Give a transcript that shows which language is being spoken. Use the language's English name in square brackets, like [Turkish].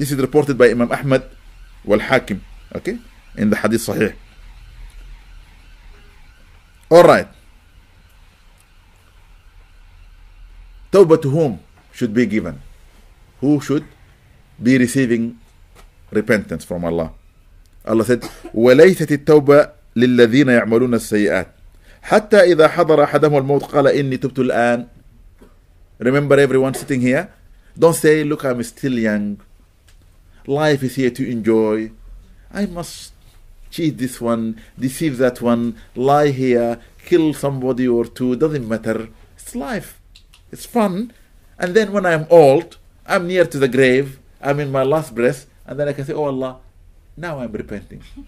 [English] This is reported by Imam Ahmad wal Hakim, okay? In the Hadith Sahih. All right. Tawbah to whom should be given? Who should be receiving repentance from Allah? Allah said, [Arabic] وَلَيْسَتِ التَّوْبَةِ لِلَّذِينَ يَعْمَلُونَ السَّيِّئَاتِ حَتَّى إِذَا حَضَرَ أَحَدَهُمُ الْمَوْتِ قَالَ إِنِّي تُبْتُ الْآنِ [English] Remember everyone sitting here? Don't say, look, I'm still young. Life is here to enjoy. I must cheat this one, deceive that one, lie here, kill somebody or two. Doesn't matter. It's life. It's fun. And then when I'm old, I'm near to the grave, I'm in my last breath, and then I can say, oh Allah, now I'm repenting.